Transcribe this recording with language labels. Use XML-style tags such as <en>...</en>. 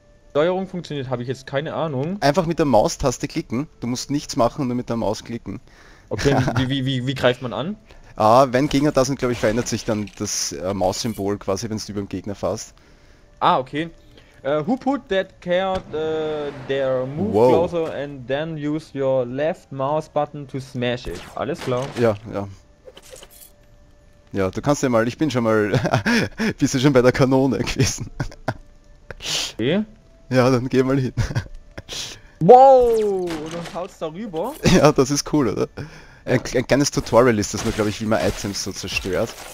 <de>Steuerung funktioniert, habe ich jetzt keine Ahnung. Einfach mit der Maustaste klicken. Du musst nichts machen, nur mit der Maus klicken. Okay, wie greift man an? Ah, wenn Gegner da sind, glaube ich, verändert sich dann das Maussymbol quasi, wenn du über den Gegner fasst.</de> <en>Ah, okay. Who put that card there? Move Whoa. Closer and then use your left mouse button to smash it.</en> <de>Alles klar. Ja, ja. Ja, du kannst ja mal, ich bin schon mal, bist du schon bei der Kanone gewesen. Okay. Ja, dann geh mal hin. Wow, dann haust da rüber. Ja, das ist cool, oder? Ein kleines Tutorial ist das nur, glaube ich, wie man Items so zerstört.</de>